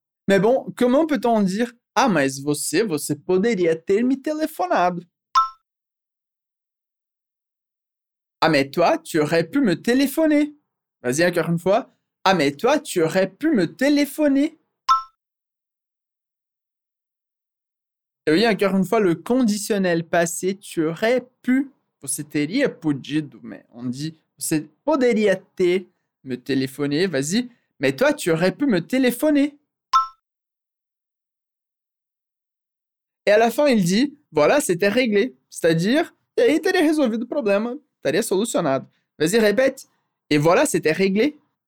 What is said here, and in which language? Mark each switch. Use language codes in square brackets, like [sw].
[fr] Mais bon, comment peut-on dire « Ah mais [pt] você poderia ter me telefonado. [fr] » Ah mais toi, tu aurais pu me téléphoner. Vas-y, encore une fois. Ah, mais toi, tu aurais pu me téléphoner. Et oui, encore une fois, le conditionnel passé, tu aurais pu. [pt] Você teria podido, [fr] mais on dit [pt] você poderia ter me téléphoner. [fr] Vas-y. Mais toi, tu aurais pu me téléphoner. Et à la fin, il dit voilà, c'était réglé. C'est-à-dire, [pt] aí teria resolvido o problema, teria solucionado. [fr] Vas-y, répète. Et voilà, c'était réglé.